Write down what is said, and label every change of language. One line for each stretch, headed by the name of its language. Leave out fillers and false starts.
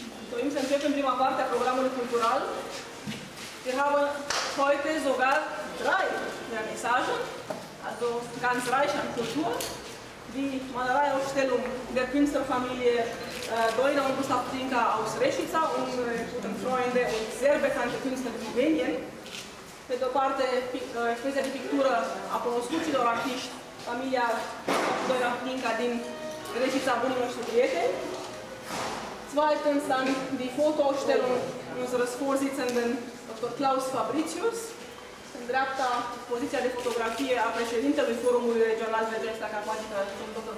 Romanian: Dorim să începem prima parte a programului cultural.
German: Wir haben heute sogar drei Vernissagen, also ganz reich an Kultur. Die Malereiausstellung der Künstlerfamilie Doina und Gustav Trinka aus Reșița, unsere guten Freunde und sehr bekannte Künstler in Rumänien.
Romanian: Pe de-o parte, expresia de pictură a cunoscuților artiști, familia Doina Trinka din Reșița, bunii noștri prieteni.
German: Zweitens dann die Fotoausstellung unseres Vorsitzenden Dr. Klaus Fabricius.
Romanian: În dreapta, poziția de fotografie a președintelui Forumului Regional de Gesta Carpatică, Dr.